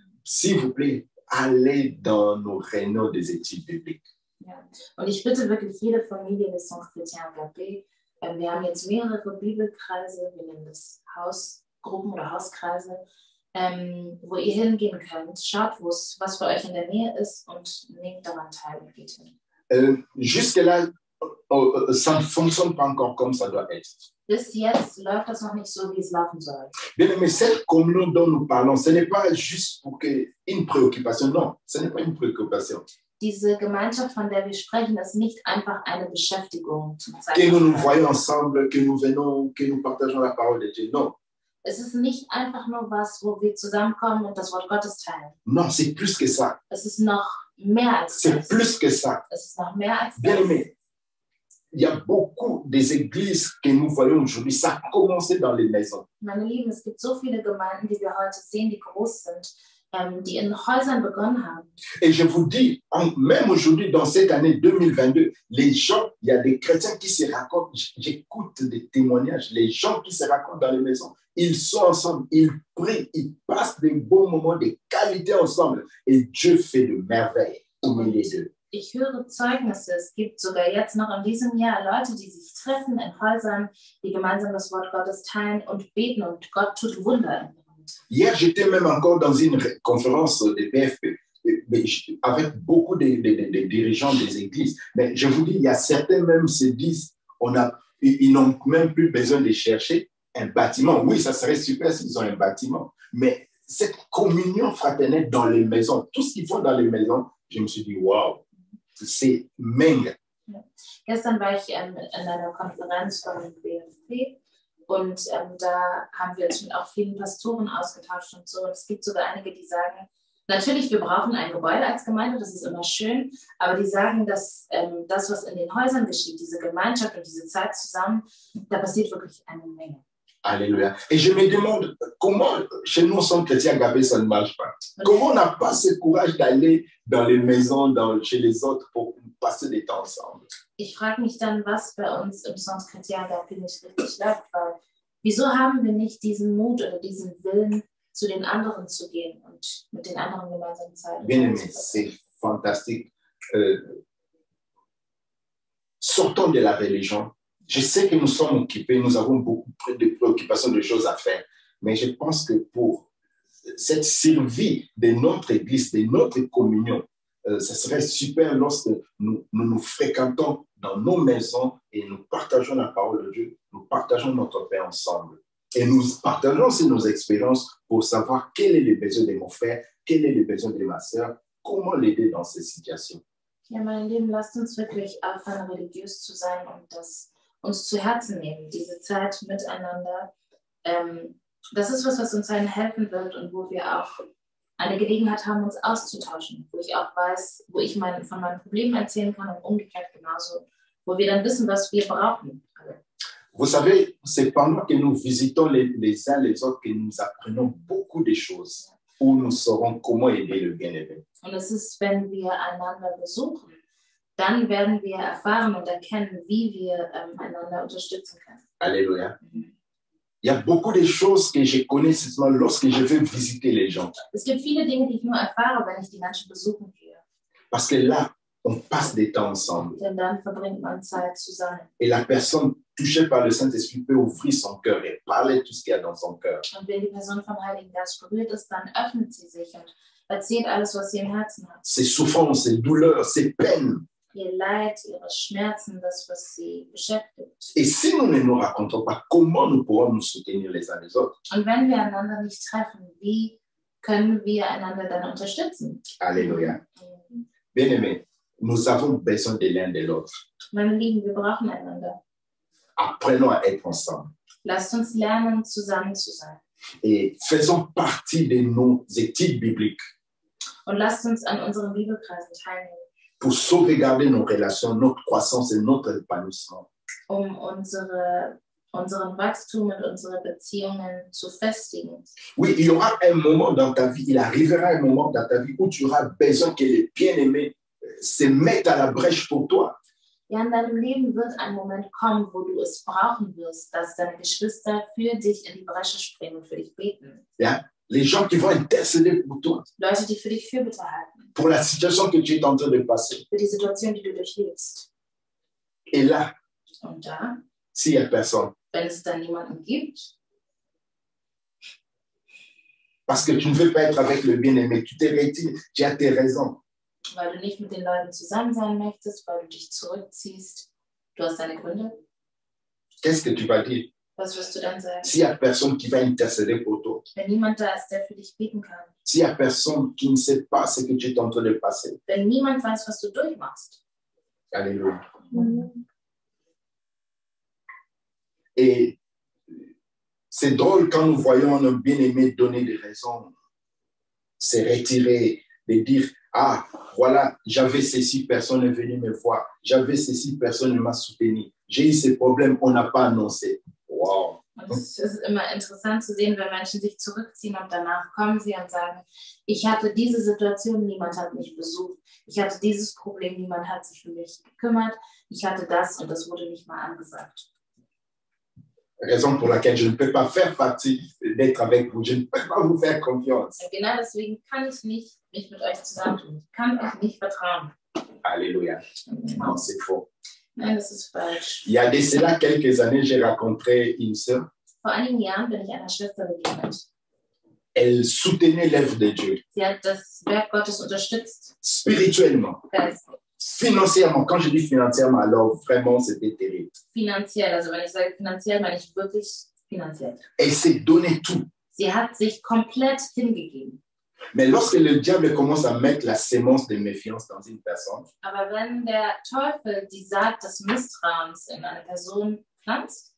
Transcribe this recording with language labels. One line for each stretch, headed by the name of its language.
French: S'il vous plaît, allez dans nos réunions des études bibliques. Yeah.
German: Und ich bitte wirklich jede Familie des Centre Chrétien Agape, wir haben jetzt mehrere Bibelkreise, wir nennen das Hausgruppen oder Hauskreise, wo ihr hingehen könnt. Schaut, was für euch in der Nähe ist und nehmt daran teil und geht hin.
French: Jusque-là, ça ne fonctionne pas encore comme ça doit être.
German: Bis jetzt läuft das noch nicht so, wie es laufen soll.
French: Bien, mais cette communion dont nous parlons, ce n'est pas juste pour que une préoccupation. Non, ce n'est pas une préoccupation.
German: Diese Gemeinschaft, von der wir sprechen, ist nicht einfach eine Beschäftigung.
French: Que nous nous voyons ensemble, que nous venons, que nous partageons la parole de Dieu. Non.
German: Es ist nicht einfach nur was, wo wir zusammenkommen und das Wort Gottes teilen.
French: Non, c'est plus que ça.
German: Es ist noch mehr als
French: c'est das. Plus que ça.
German: Es ist noch mehr als
French: bien aimé. Il y a beaucoup des églises que nous voyons aujourd'hui. Ça a commencé dans les maisons.
German: Meine Lieben, es gibt so viele Gemeinden, die wir heute sehen, die groß sind, die in Häusern begonnen haben.
French: Et je vous dis, même aujourd'hui, dans cette année 2022, les gens, il y a des chrétiens qui se racontent, j'écoute des témoignages, les gens qui se racontent dans les maisons, ils sont ensemble, ils prient, ils passent des bons moments, des qualités ensemble. Et Dieu fait de merveilles au milieu d'eux.
German: Ich höre Zeugnisse, es gibt sogar jetzt noch in diesem Jahr Leute, die sich treffen in Häusern, die gemeinsam das Wort Gottes teilen und beten und Gott tut Wunder.
French: Hier, j'étais même encore dans une conférence de BFP avec beaucoup de dirigeants des églises. Mais je vous dis, il y a certains même se disent, ils n'ont même plus besoin de chercher un bâtiment. Oui, ça serait super s'ils ont un bâtiment. Mais cette communion fraternelle dans les maisons, tout ce qu'ils font dans les maisons, je me suis dit, waouh, c'est mega.
German: Gestern war ich in einer Konferenz von BFP. Und da haben wir uns mit auch vielen Pastoren ausgetauscht und so. Und es gibt sogar einige, die sagen, natürlich, wir brauchen ein Gebäude als Gemeinde, das ist immer schön, aber die sagen, dass das, was in den Häusern geschieht, diese Gemeinschaft und diese Zeit zusammen, da passiert wirklich eine Menge.
French: Alléluia. Et je me demande, comment chez nous, Centre Chrétien Agape, ça ne marche pas? Comment on n'a pas ce courage d'aller dans les maisons, chez les autres, pour passer des temps ensemble?
German: Ich frage mich dann, was bei uns im Centre Chrétien Agape nicht richtig läuft, weil wieso haben wir nicht diesen Mut oder diesen Willen, zu den anderen zu gehen und mit den anderen gemeinsam Zeit zu verbringen?
French: C'est fantastique. Sortons de la religion. Je sais que nous sommes occupés, nous avons beaucoup de préoccupations, de choses à faire, mais je pense que pour cette survie de notre Église, de notre communion, ce serait super lorsque nous nous fréquentons dans nos maisons et nous partageons la parole de Dieu, nous partageons notre paix ensemble. Et nous partageons aussi nos expériences pour savoir quel est le besoin de mon frère, quel est le besoin de ma sœur, comment l'aider dans ces situations.
German: Ja, meine Lieben, lasst uns wirklich aufhören, religiös zu sein und das uns zu Herzen nehmen, diese Zeit miteinander. Das ist was uns allen helfen wird und wo wir auch eine Gelegenheit haben, uns auszutauschen, wo ich auch weiß, wo ich von meinen Problemen erzählen kann und umgekehrt genauso, wo wir dann wissen, was wir brauchen.
French: Vous savez, c'est pendant que nous visitons les uns les autres que nous apprenons beaucoup de choses, où nous saurons comment aider le bien-être.
German: Und es ist, wenn wir einander besuchen, dann werden wir erfahren und erkennen, wie wir einander unterstützen können.
French: Alléluia. Il y a beaucoup de choses que je connais seulement lorsque je vais visiter les gens.
German: Es gibt viele Dinge, die ich nur erfahre, wenn ich die Menschen besuchen gehe.
French: Parce que là, on passe des temps ensemble.
German: Denn dann verbringt man Zeit zusammen.
French: Et la personne touchée par le Saint-Esprit peut ouvrir son cœur et parler tout ce qu'il y a dans son cœur.
German: Und wenn die Person vom Heiligen Geist berührt ist, dann öffnet sie sich und erzählt alles, was sie im Herzen hat.
French: Ses souffrances, ses douleurs, ses peines.
German: Ihr Leid, ihre Schmerzen, das, was sie beschäftigt.
French: Et si nous ne nous racontons pas, comment nous pouvons nous soutenir les uns les autres?
German: Und wenn wir einander nicht treffen, wie können wir einander dann unterstützen?
French: Alléluia. Bien-aimé, nous avons besoin de l'un de l'autre.
German: Meine Lieben, wir brauchen einander.
French: Apprenons à être ensemble.
German: Lasst uns lernen, zusammen zu sein.
French: Et faisons partie de nos études bibliques.
German: Und lasst uns an unseren Bibelkreisen teilnehmen.
French: Pour sauvegarder nos relations, notre croissance et notre épanouissement.
German: Um unsere unseren Wachstum und unsere Beziehungen zu festigen.
French: Oui, il y aura un moment dans ta vie, il arrivera un moment dans ta vie où tu auras besoin que les bien-aimés se mettent à la brèche pour toi.
German: Ja, in deinem Leben wird ein Moment kommen, wo du es brauchen wirst, dass deine Geschwister für dich in die Bresche springen und für dich beten.
French: Ja, les gens qui vont intercéder pour toi.
German: Leute, die für dich Fürbitte halten.
French: Pour la situation que tu es en train de passer.
German: Für die Situation, die du durchlebst.
French: Et là,
German: und da,
French: s'il y a personne,
German: wenn es dann niemanden gibt,
French: parce que tu ne veux pas être avec le bien-aimé, tu t'es retiré, tu as tes raisons.
German: Weil du nicht mit den Leuten zusammen sein möchtest, weil du dich zurückziehst, du hast deine Gründe.
French: Qu'est-ce que tu vas dire?
German: Was wirst du dann sagen?
French: S'il y a personne qui va intercéder pour toi.
German: Wenn niemand da ist, der für dich beten kann.
French: S'il y a personne qui ne sait pas ce que tu es en train de passer.
German: Wenn niemand weiß, was du durchmachst.
French: Alléluia. Mm-hmm. Et c'est drôle quand nous voyons un bien-aimé donner des raisons, se retirer, de dire ah, voilà, j'avais ceci, personne n'est venu me voir. J'avais ceci, personne ne m'a soutenu. J'ai eu ces problèmes, on n'a pas annoncé. Wow.
German: Es ist immer interessant zu sehen, wenn Menschen sich zurückziehen und danach kommen sie und sagen, ich hatte diese Situation, niemand hat mich besucht. Ich hatte dieses Problem, niemand hat sich für mich gekümmert. Ich hatte das und das wurde nicht mal angesagt.
French: Raison pour laquelle je ne peux pas faire partie d'être avec vous. Je ne peux pas vous faire confiance.
German: Genau deswegen kann ich nicht mich mit euch zusammentun. Ich kann euch nicht vertrauen.
French: Alléluia. Non, c'est faux.
German: Nein, das ist falsch.
French: Il y a de cela quelques années, j'ai rencontré une sœur.
German: Vor einigen Jahren bin ich einer Schwester begegnet.
French: Elle soutenait l'œuvre de Dieu.
German: Sie hat das Werk Gottes unterstützt.
French: Spirituellement. Financièrement, quand je dis financièrement, alors vraiment c'était terrible.
German: Finanziell, also wenn ich sage finanziell, meine ich wirklich finanziell.
French: Elle s'est donné tout.
German: Sie hat sich komplett hingegeben.
French: Mais lorsque le diable commence à mettre la semence de méfiance dans une personne,
German: aber wenn der Teufel die Saat des Misstrauens in eine Person pflanzt,